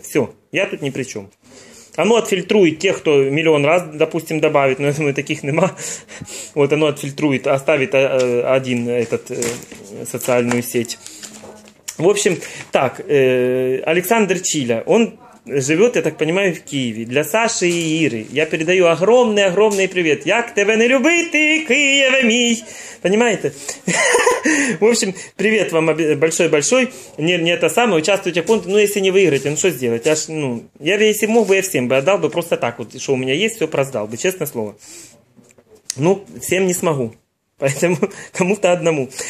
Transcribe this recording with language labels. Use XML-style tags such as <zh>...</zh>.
<ru>Все, я тут ни при чем. Оно отфильтрует тех, кто миллион раз, допустим, добавит, но я думаю, таких нема. Вот оно отфильтрует, оставит один этот социальную сеть. В общем, так, Александр Чиля, он... Живет, я так понимаю, в Киеве. Для Саши и Иры я передаю огромный-огромный привет.</ru> <uk>Як тебе не любити, Киеве мій.</uk> <ru>Понимаете? В общем, привет вам большой-большой. Не это самое, участвуйте в конкурсе. Ну, если не выиграете, ну что сделать? Я если мог бы, я всем бы отдал бы просто так. Вот, что у меня есть, все проздал бы, честное слово. Ну, всем не смогу. Поэтому кому-то одному.</ru>